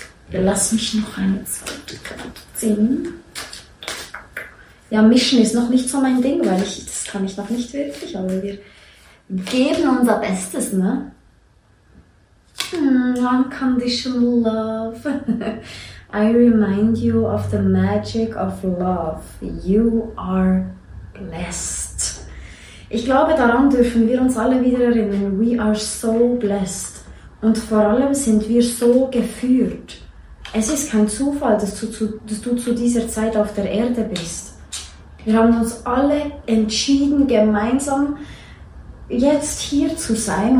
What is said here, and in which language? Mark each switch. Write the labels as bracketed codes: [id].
[de] Lass mich noch eine zweite Karte ziehen. Ja, mischen ist noch nicht so mein Ding, weil ich, das kann ich noch nicht wirklich, aber wir geben unser Bestes, ne? [en] Unconditional love. I remind you of the magic of love. You are blessed. [de] Ich glaube, daran dürfen wir uns alle wieder erinnern. [en] We are so blessed. [de] Und vor allem sind wir so geführt. Es ist kein Zufall, dass du zu dieser Zeit auf der Erde bist. Wir haben uns alle entschieden, gemeinsam jetzt hier zu sein.